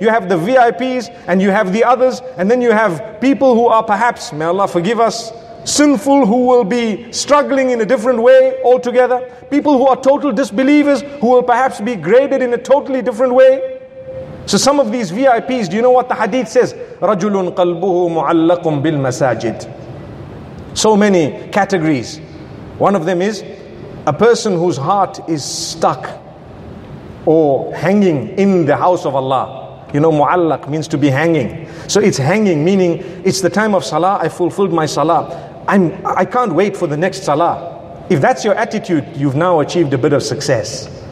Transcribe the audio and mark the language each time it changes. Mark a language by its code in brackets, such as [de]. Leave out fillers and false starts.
[en] You have the VIPs and you have the others, and then you have people who are perhaps, may Allah forgive us, sinful, who will be struggling in a different way altogether. People who are total disbelievers, who will perhaps be graded in a totally different way. So some of these VIPs, do you know what the hadith says? [ar] رَجُلٌ قَلْبُهُ مُعَلَّقٌ بِالْمَسَاجِدِ [en] So many categories. One of them is a person whose heart is stuck or hanging in the house of Allah. You know, مُعَلَّق means to be hanging. So it's hanging, meaning it's the time of salah, I fulfilled my salah. I can't wait for the next salah. If that's your attitude, you've now achieved a bit of success.